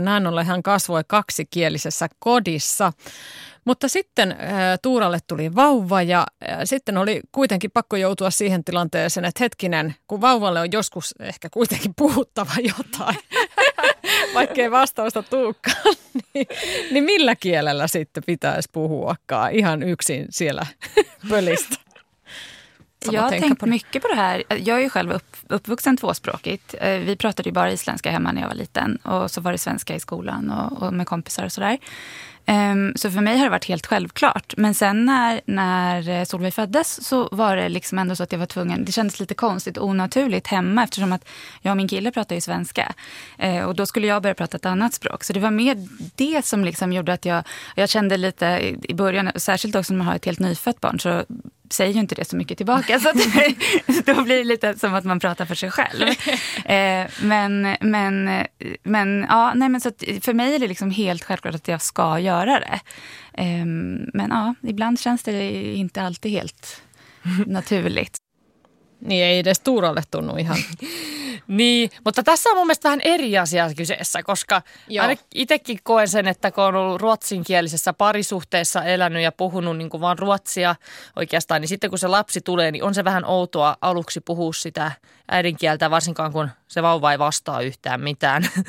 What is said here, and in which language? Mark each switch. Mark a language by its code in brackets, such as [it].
[fi] Näin ollen hän kasvoi kaksikielisessä kodissa. Mutta sitten Tuuralle tuli vauva ja sitten oli kuitenkin pakko joutua siihen tilanteeseen, että hetkinen, kun vauvalle on joskus ehkä kuitenkin puhuttava jotain, vaikkei vastausta tuukkaan, niin millä kielellä sitten pitäisi puhuakaan ihan yksin siellä pölistä? [sv] Jag har tänkt mycket på det här. Jag är ju själv uppvuxen tvåspråkigt. Vi pratade ju bara isländska hemma när jag var liten. Och så var det svenska i skolan och med kompisar och sådär. Så för mig har det varit helt självklart. Men sen när Solveig föddes så var det liksom ändå så att jag var tvungen. Det kändes lite konstigt, onaturligt hemma. Eftersom att jag och min kille pratade ju svenska. Och då skulle jag börja prata ett annat språk. Så det var mer det som liksom gjorde att jag kände lite i början. Särskilt också när man har ett helt nyfött barn så säger ju inte det så mycket tillbaka. Så då blir det lite som att man pratar för sig själv. Men ja, nej, men så att för mig är det liksom helt självklart att jag ska göra det. Men ja, ibland känns det inte alltid helt naturligt. [fi] Niin ei edes tuuralle tunnu ihan. Niin, mutta tässä on mun mielestä vähän eri asia kyseessä, koska aina itsekin koen sen, että kun on ollut ruotsinkielisessä parisuhteessa elänyt ja puhunut niin kuin vaan ruotsia oikeastaan, niin sitten kun se lapsi tulee, niin on se vähän outoa aluksi puhua sitä äidinkieltä, varsinkaan kun se vauva ei vastaa yhtään mitään.